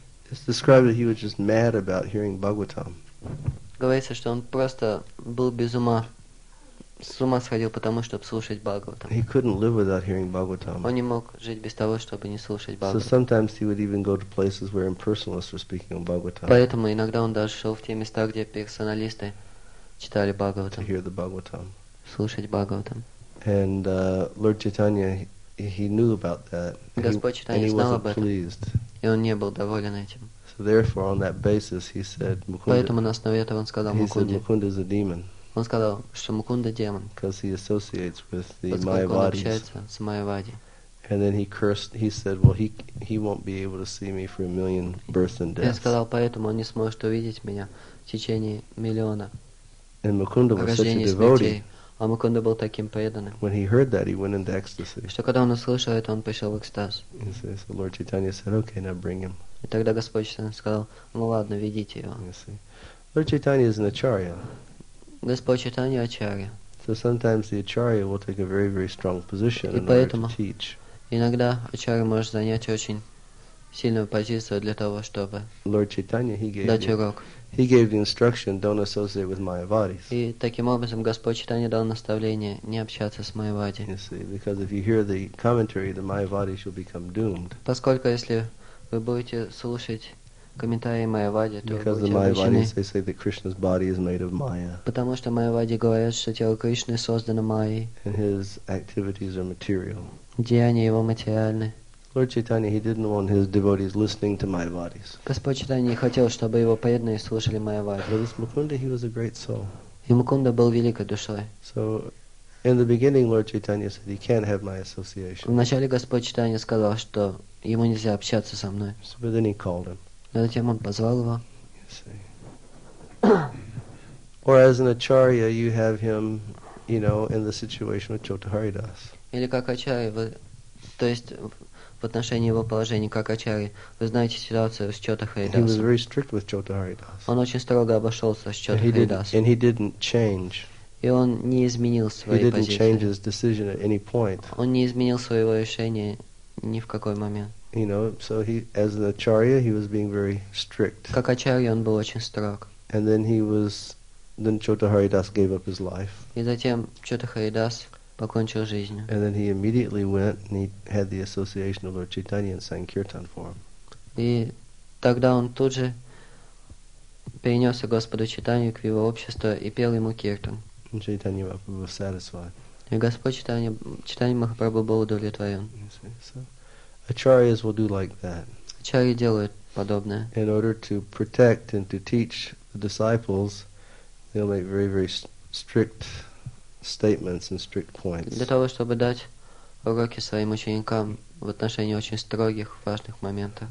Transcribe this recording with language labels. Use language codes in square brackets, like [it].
[en] It's described that he was just mad about hearing Bhagavatam. [ru] Говорится, что он просто был без ума. С ума сходил, потому что слушать Бхагаватам. [en] He couldn't live without hearing Bhagavatam. [ru] Он не мог жить без того, чтобы не слушать Бхагаватам. [en] So sometimes he would even go to places where impersonalists were speaking on Bhagavatam. [ru] Поэтому иногда он даже шел в те места, где персоналисты читали Бхагаватам. [en] To hear the Bhagavatam. [ru] Слушать Бхагаватам. [en] And Lord Chaitanya, he knew about that. [ru] Господь Читания знал об этом. [en] Pleased. [ru] И он не был доволен этим. [en] So therefore, on that basis, he said, Mukunda. [ru] Поэтому на основе этого он сказал Мукунде. [en] He said, Mukunda is a demon. [ru] Он сказал, что Мукунда демон. [en] Because he associates with the Mayavadis. [ru] Поскольку он общается с Майявади. [en] And then he cursed. He said, "Well, he won't be able to see me for a million births and deaths." [ru] Я сказал, поэтому он не сможет увидеть меня в течение миллиона. [en] And Mukunda was such a devotee. [ru] А Мукунда был таким преданным. [en] When he heard that, he went into ecstasy. [ru] Что когда он услышал это, он пришел в экстаз. [en] He says, "The Lord Chaitanya said, 'Okay, now bring him.'" [ru] И тогда Господь Читания сказал, "Ну ладно, ведите его." [en] You see, Lord Chaitanya is an acharya. [ru] Господь Читания ачарья. [en] So sometimes the acharya will take a very, very strong position in order to teach. [ru] Иногда ачарья может занять очень сильную позицию для того, чтобы [en] Lord Chaitanya, [ru] дать урок. [en] He gave the instruction, don't associate with Mayavadis. [ru] И таким образом Господь Читания дал наставление не общаться с Майявади. [en] You see, because if you hear the commentary, the Mayavadis will become doomed. [ru] Поскольку если вы будете слушать комментарии Майявади, то [en] Because the Майявадис, they say that Krishna's body is made of Maya. [ru] Потому что Майявади говорят, что тело Кришны создано Майей. [en] And his activities are material. [ru] Деяния его материальны. [en] Lord Chaitanya, he didn't want his devotees listening to Майявадис. [ru] Господь Чайтанья не хотел, чтобы его преданные слушали Майявади. [en] But this Мукунда, he was a great soul. [ru] И Мукунда был великой душой. [en] So, in the beginning, Lord Chaitanya said he can't have my association. [ru] Вначале Господь Чайтанья сказал, что ему нельзя общаться со мной. [en] So, but then he called him. [ru] Но затем он позвал его. [en] Or as an acharya, you have him, you know, in the situation of Chota Haridas. [ru] Или как ачарья, то есть в отношении его положения как ачарья, вы знаете ситуацию с Чота Харидасом. [en] He was very strict with Chota Haridas. [ru] Он очень строго обошелся с Чота Харидасом. [en] And he didn't change. [ru] И он не изменил своей позиции. [en] He didn't change his decision at any point. [ru] Он не изменил своего решения ни в какой момент. [en] You know, so he, as an acharya, he was being very strict. [ru] Как ачарья, он был очень строг. [en] And then he was, then Chota Haridas gave up his life. [ru] И затем Чота Харидас покончил жизнь. [en] And then he immediately went and he had the association of Lord Chaitanya and sang kirtan for him. [ru] И тогда он тут же перенесся Господу Чайтанью к его обществу и пел ему киртан. [en] And Chaitanya Mahaprabhu was satisfied. [ru] И Господь Чайтанья, Чайтанья Махапрабху был удовлетворен. [en] Acharyas will do like that. [ru] Ачарьи делают подобное. [en] In order to protect and to teach the disciples, they'll make very, very strict statements and strict points. [ru] Для того, чтобы дать уроки своим ученикам в отношении очень строгих, важных моментов.